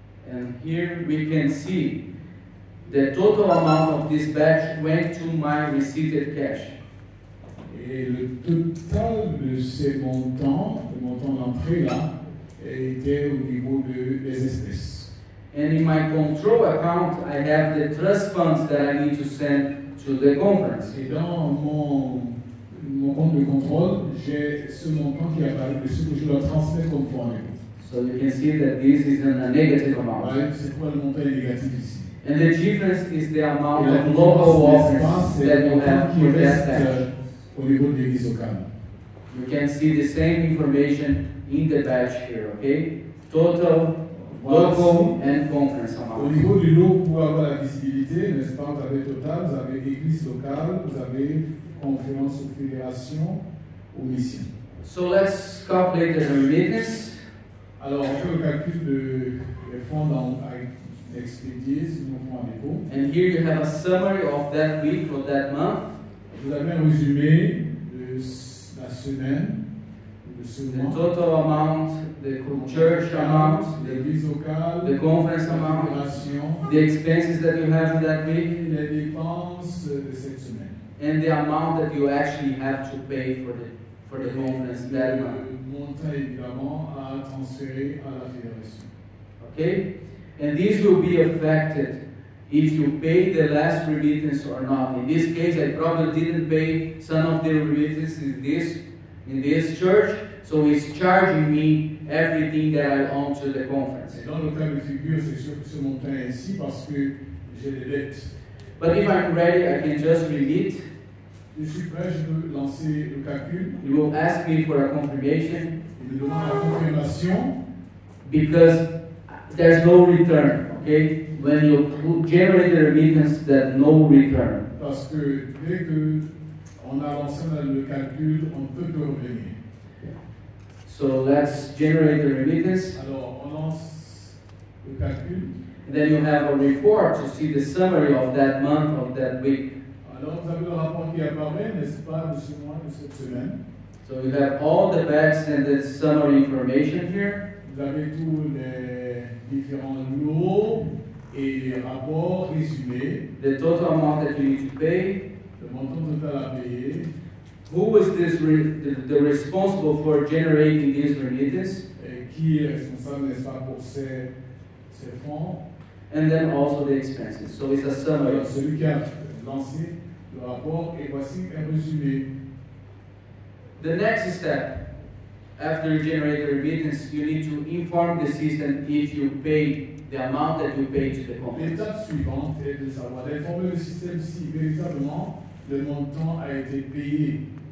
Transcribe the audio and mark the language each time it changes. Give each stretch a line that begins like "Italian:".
English: And here we can see the total amount of this batch went to my receipted cash.
French: Et le total de ces montants, le montant d'entrée là, était au niveau de des espèces.
English: And in my control account, I have the trust funds that I need to send to the conference.
French: Et dans mon compte de contrôle, j'ai ce montant qui apparaît, le ce que je dois transmettre comme fonds.
English: So you can see that this is a negative amount.
French: Ouais, c'est quoi le montant négatif ici?
English: And the difference is the amount of local offers that you have for that batch.
French: Au niveau des mises au calme.
English: You can see the same information in the batch here, okay? Total, local, and conference amount.
French: Au niveau du lot, pour avoir la visibilité, n'est-ce pas, vous avez total, vous avez église locale, vous avez conférence ou fédération ou mission.
English: So let's calculate the remittance.
French: Alors, on fait le calcul des fonds expédiés, nous fonds à dépôt.
English: And here you have a summary of that week or that month.
French: Vous avez un résumé de la semaine, de ce mois.
English: The total amount, the church amount,
French: l'église locale,
English: the conference amount,
French: l'information,
English: the expenses that you have in that week,
French: les dépenses de cette semaine.
English: And the amount that you actually have to pay for the conference that month.
French: Le montant évidemment à transférer à la fédération.
English: Okay. And this will be affected if you pay the last remittance or not. In this case, I probably didn't pay some of the remittances in this church, so it's charging me everything that I own to the conference.
French: Et dans le cas de figure, c'est sûr que ce montant est ainsi parce que j'ai des dettes.
English: But if I'm ready, I can just remit.
French: Je suis prêt, je veux lancer le calcul.
English: You will ask me for a confirmation.
French: Je vais demander la confirmation.
English: Because there's no return, okay? When you generate a remittance, there's no return.
French: Parce que dès que on a lancé le calcul, on peut plus revenir.
English: So let's generate the remittance.
French: Alors, on lance le calcul.
English: And then you have a report to see the summary of that month, of that week.
French: Alors, vous avez le rapport qui apparaît, n'est-ce pas, de ce mois, de cette semaine.
English: So you have all the bags and the summary information here.
French: Vous avez tous les différents lots et rapports résumés.
English: The total amount that you need to pay.
French: Le montant total à payer.
English: Who is this the responsible for generating these remittances?
French: Qui est responsable, n'est-ce pas, pour ces fonds?
English: And then also the expenses. So it's a summary.
French: Alors, celui qui a lancé le rapport, et voici un résumé.
English: The next step, after you generate the remittance, you need to inform the system if you pay the amount that you pay to the company.
French: L'étape suivante est de savoir d'informer le système si véritablement le montant a été payé.